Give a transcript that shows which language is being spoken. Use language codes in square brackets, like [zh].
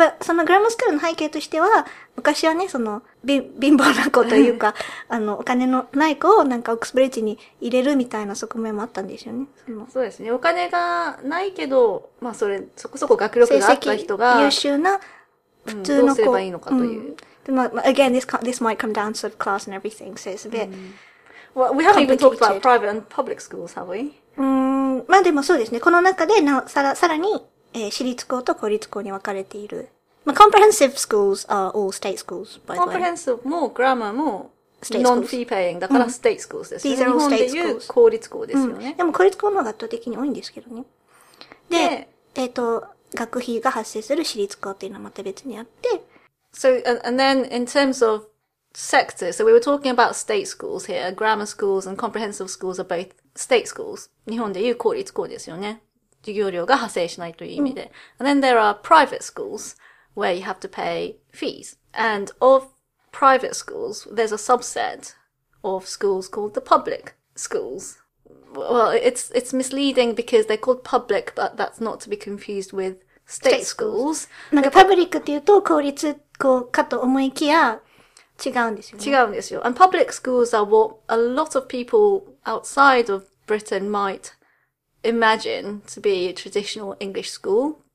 [ja] やっぱそのグラマースクールの背景としては、昔はね、その貧乏な子というか、お金のない子をなんかオックスブリッジに入れるみたいな側面もあったんですよね。そうですね。お金がないけど、まあそれ、そこそこ学力があった人が、優秀な普通の子、うん、どうすればいいのかという。 [en] で、まあ、again, this might come down to sort of class and everything, so it's a bit、 Well, we haven't even talked about private and public schools, have we? [ja] まあでもそうですね。この中で、さらに、私立校と公立校に分かれている。 [en] まあ、comprehensive schools are all state schools, by the way. [ja] comprehensive も、grammar も、non-fee paying, だから state schools ですよね。 [en] These are all state schools. [ja] 日本でいう公立校ですよね。うん、でも公立校の方が圧倒的に多いんですけどね。で、学費が発生する私立校っていうのはまた別にあって。 [en] So, and then in terms of sectors, so we were talking about state schools here, grammar schools and comprehensive schools are both state schools, [ja] 日本でいう公立校ですよね。授業料が発生しないという意味で。 [en] うん、And then there are private schools where you have to pay fees. And of private schools, there's a subset of schools called the public schools. Well, it's misleading because they're called public, but that's not to be confused with state schools. [ja] なんかパブリックっていうと公立校かと思いきや、違うんですよね。違うんですよ。 [en] And public schools are what a lot of people outside of Britain might imagine to be a traditional English school.